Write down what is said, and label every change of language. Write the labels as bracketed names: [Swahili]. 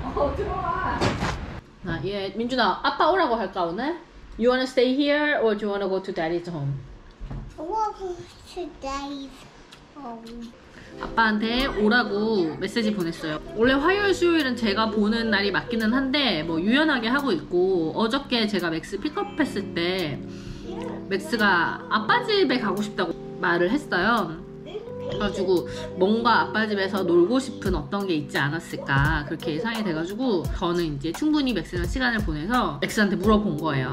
[Korean] 어 들어와. 나 예 민준아 아빠 오라고 할까 오늘? [English] You wanna stay here or do you wanna go to daddy's home? I wanna go to daddy's home. [Korean] 아빠한테 오라고 메시지 보냈어요. 원래 화요일 수요일은 제가 보는 날이 맞기는 한데 뭐 유연하게 하고 있고 어저께 제가 맥스 픽업했을 때 맥스가 아빠 집에 가고 싶다고 말을 했어요. 그래가지고 뭔가 아빠 집에서 놀고 싶은 어떤 게 있지 않았을까 그렇게 예상이 돼가지고 저는 이제 충분히 맥스랑 시간을 보내서 맥스한테 물어본 거예요.